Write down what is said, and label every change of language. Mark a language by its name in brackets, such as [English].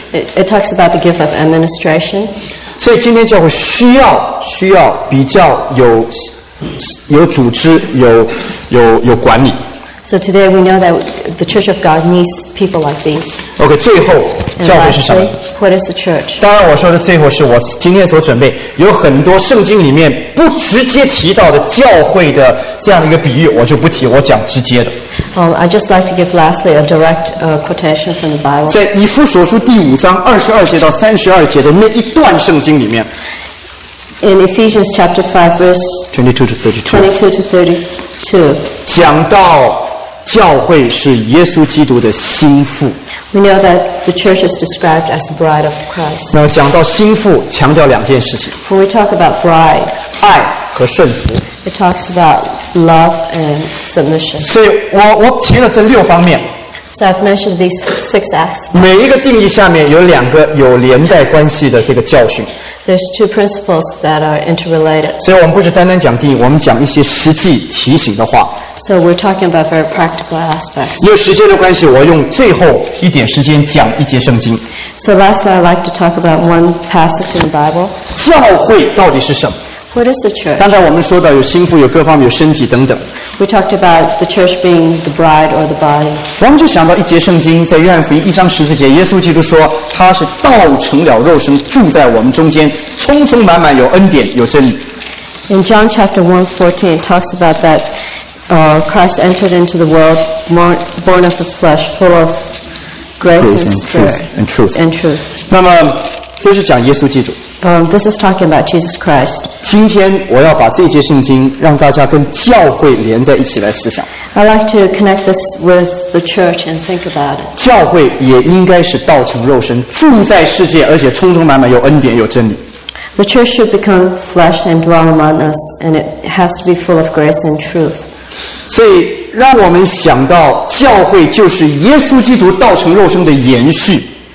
[English] it talks about the gift of administration. [Chinese] 所以今天教会需要比较有组织有管理。 [English] So today we know that the Church of God needs people like these. [Chinese] Okay, 最后教会是什么？ [English] What is the church? [Chinese] 当然我说的最后是我今天所准备有很多圣经里面不直接提到的教会的这样的一个比喻我就不提我讲直接的、 [English] I'd just like to give lastly a direct quotation from the Bible [Chinese] 在以弗所书第五章二十二节到三十二节的那一段圣经里面 [English] In Ephesians chapter 5 verse 22 to 32 [Chinese] 讲到教会是耶稣基督的心腹 [English] We know that the church is described as the bride of Christ. [Chinese] 那讲到心腹，强调两件事情。 [English] When we talk about bride, [Chinese] 爱和顺服。 [English] It talks about love and submission. [Chinese] 所以我提了这六方面。 [English] So I've mentioned these six aspects. [Chinese] 每一个定义下面有两个有连带关系的这个教训。 [English] There's two principles that are interrelated. [Chinese] 所以我们不是单单讲定义，我们讲一些实际提醒的话。 [English] So we're talking about very practical aspects. [Chinese] 因为时间的关系，我用最后一点时间讲一节圣经。 [English] So lastly, I'd like to talk about one passage in the Bible. [Chinese] 教会到底是什么？ [English] What is the church? [Chinese] 刚才我们说到有心腹有各方面有身体等等 [English] We talked about the church being the bride or the body [Chinese] 我们就想到一节圣经在约翰福音一章十四节耶稣基督说他是道成了肉身住在我们中间充充满满有恩典有真理 [English] In John chapter 1:14 it talks about that Christ entered into the world born of the flesh full of grace and truth [Chinese] 那么这是讲耶稣基督 [English] This is talking about Jesus Christ. [Chinese] 今天我要把这节圣经让大家跟教会连在一起来思想。 [English] I'd like to connect this with the church and think about it. [Chinese] 教会也应该是道成肉身，住在世界，而且充充满满有恩典有真理。 [English] The church should become flesh and dwell among us, and it has to be full of grace and truth. [Chinese] 所以让我们想到教会就是耶稣基督道成肉身的延续。